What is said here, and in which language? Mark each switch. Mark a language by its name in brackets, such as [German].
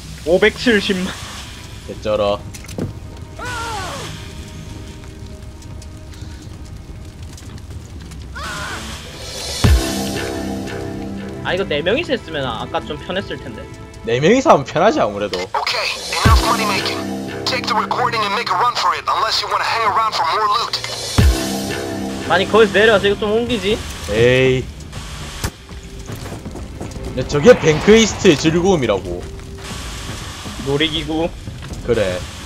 [Korean] 570만 개쩔어. 아 이거 4명이서 했으면 아까 좀 편했을텐데. 4명이서 하면 편하지 아무래도. [English] 오케이 enough money making. Take the recording and make a run for it unless you wanna hang around for more loot. [Korean] 아니 거기서 내려와서 이거 좀 옮기지. 에이 야 저게 뱅크이스트의 즐거움이라고. 놀이기구 그래.